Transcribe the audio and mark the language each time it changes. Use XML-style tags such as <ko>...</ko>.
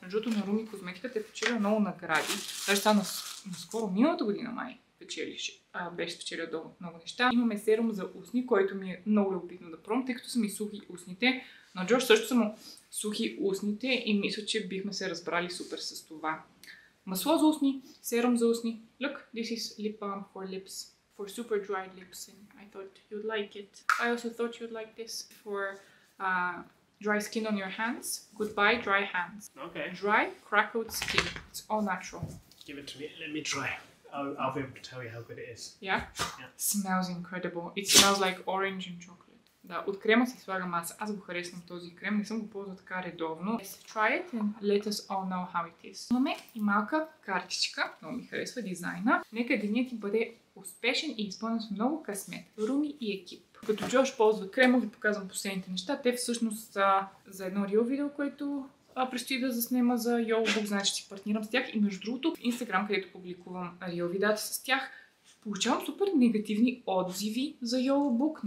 <bg>Между другото на Руми козметиката е печелила много награди, това ще стана наскоро миналата година май печелише. беше спечелил дома много неща. Имаме серум за устни, който ми е много любопитно да пробвам, тъй като са ми сухи устните. Но Джош също са му сухи устните и мисля, че бихме се разбрали супер с това. Масло за устни, серум за устни.</bg> <en>Look, this is lip balm for lips. For super dry lips. And I thought you'd like it. I also thought you'd like this for dry skin on your hands. Goodbye, dry hands. Okay. Dry, crackled skin. It's all natural. Give it to me. Let me try. I'll be able to tell you how good it is. Yeah? Yeah. Smells incredible. It smells like orange and chocolate.</en> <bg>Да, от крема се слагам аз. Аз го харесвам този крем. Не съм го ползвал така редовно.</bg> <en>Let's try it and let us all know how it is.</en> <bg>Имаме и малка картичка. Много ми харесва дизайна. Нека денят ти бъде успешен и изпълнен с много късмет. Руми и екип. Като Джош ползва крема, ви показвам последните неща. Те всъщност са за едно рил видео, което предстои да заснема за YOLBOOK, значи ще партнирам с тях. И между другото, в Instagram, където публикувам рил видеята с тях, получавам супер негативни отзиви за YOLBOOK.</bg>